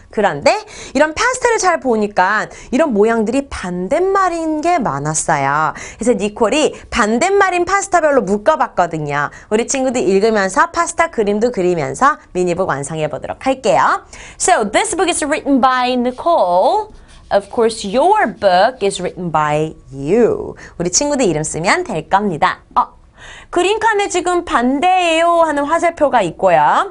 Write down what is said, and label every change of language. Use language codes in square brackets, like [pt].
[ko] 그런데 이런 파스타를 잘 보니까 이런 모양들이 반대말인 게 많았어요. 그래서 니콜이 반대말인 파스타별로 묶어봤거든요. 우리 친구들 읽으면서 파스타 그림도 그리면서 미니북 완성해보도록 할게요. [en] So this book is written by Nicole. Of course, your book is written by you. [ko] 우리 친구들 이름 쓰면 될 겁니다. 그림칸에 지금 반대예요 하는 화살표가 있고요.